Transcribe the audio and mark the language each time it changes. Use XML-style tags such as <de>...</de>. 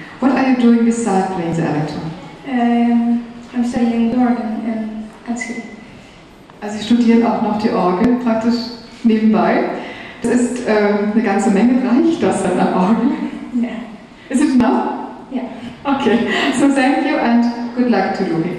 <en>What are you doing besides playing the Elektron? I'm studying the organ in Katsuki.</en> <de>Also Sie studieren auch noch die Orgel praktisch nebenbei. Das ist eine ganze Menge, reicht das an der Orgel? Ja.</de> <en>Is it enough?</en> <de>Ja.</de> <en>Okay, so thank you and good luck to you.</en>